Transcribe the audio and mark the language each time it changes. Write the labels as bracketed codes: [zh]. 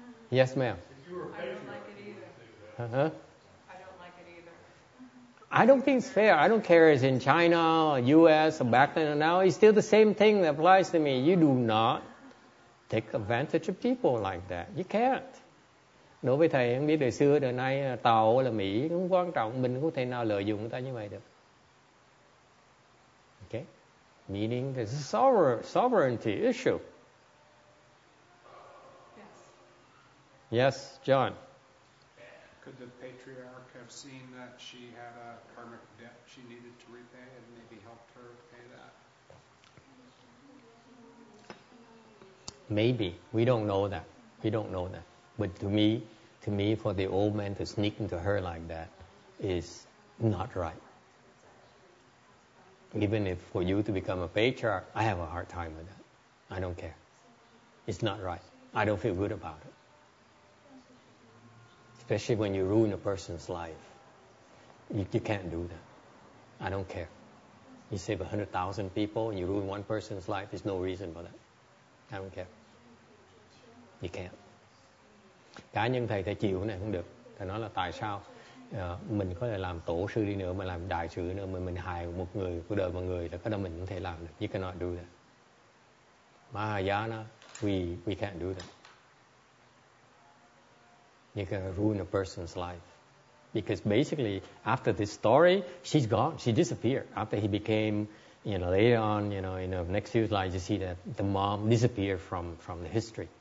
[en] Yes, ma'am. I don't like it either. Uh-huh. I don't think it's fair. I don't care if it's in China, U.S., or back then or now. It's still the same thing that applies to me. You do not take advantage of people like that. You can't. [vi] Đối với thầy, không biết đời xưa, đời nay, tàu là Mỹ, không quan trọng. Mình có thể nào lợi dụng người ta như vậy được. [en] Okay? Meaning there's a sovereignty issue. Yes, John. Could the patriarch have seen that she had a karmic debt she needed to repay and maybe helped her pay that? Maybe. We don't know that. We don't know that. But to me, for the old man to sneak into her like that is not right. Even if for you to become a patriarch, I have a hard time with that. I don't care. It's not right. I don't feel good about it. Especially when you ruin a person's life. You can't do that. I don't care. You save 100,000 people and you ruin one person's life, there's no reason for that. I don't care. You can't. [vi] Cá nhân thầy chịu này không được. Thầy nói là tại sao mình có thể làm tổ sư đi nữa, mà làm đại sư nữa, mà mình hại một người, cuộc đời một người, là cái đó mình không thể làm được. [en] You cannot do that. Mahayana, we can't do that. you can ruin a person's life. Because basically, after this story, she's gone. She disappeared. After he became, you know, later on, you know, in the next few slides, you see that the mom disappeared from the history.